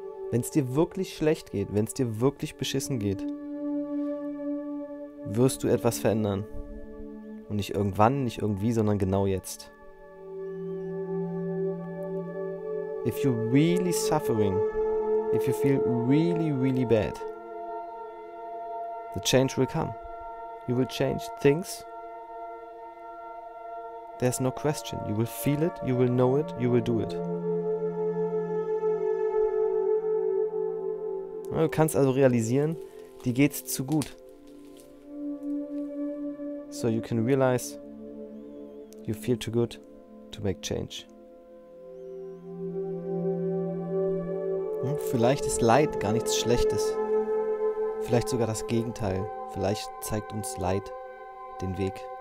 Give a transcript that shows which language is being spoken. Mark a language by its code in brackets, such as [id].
[de] Wenn es dir wirklich schlecht geht, wenn es dir wirklich beschissen geht, wirst du etwas verändern. Und nicht irgendwann, nicht irgendwie, sondern genau jetzt. [en] If you're really suffering, if you feel really, really bad, the change will come. You will change things. There's no question. You will feel it, you will know it, you will do it. [de] Du kannst also realisieren, dir geht's zu gut. [en] So you can realize, you feel too good to make change. [de] Vielleicht ist Leid gar nichts Schlechtes. Vielleicht sogar das Gegenteil. Vielleicht zeigt uns Leid den Weg.